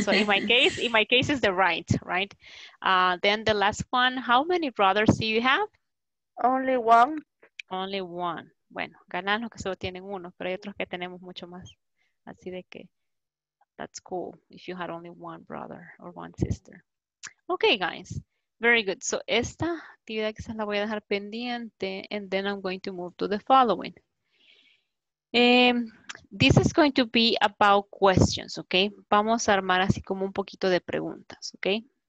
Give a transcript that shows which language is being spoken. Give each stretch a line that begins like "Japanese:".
English: So in my case is the right, right? Then the last one, how many brothers do you have? Only one. Only one.
Spanish: Bueno, ganan los que solo tienen uno, pero hay otros que tenemos mucho más. Así de que,
English: that's cool if you had only one brother or one sister. Okay, guys. Very good. So,
Spanish: esta actividad quizás la voy a dejar pendiente
English: and then I'm going to move to the following. This is going to be about questions, okay?
Spanish: Vamos a armar así como un poquito de preguntas, okay?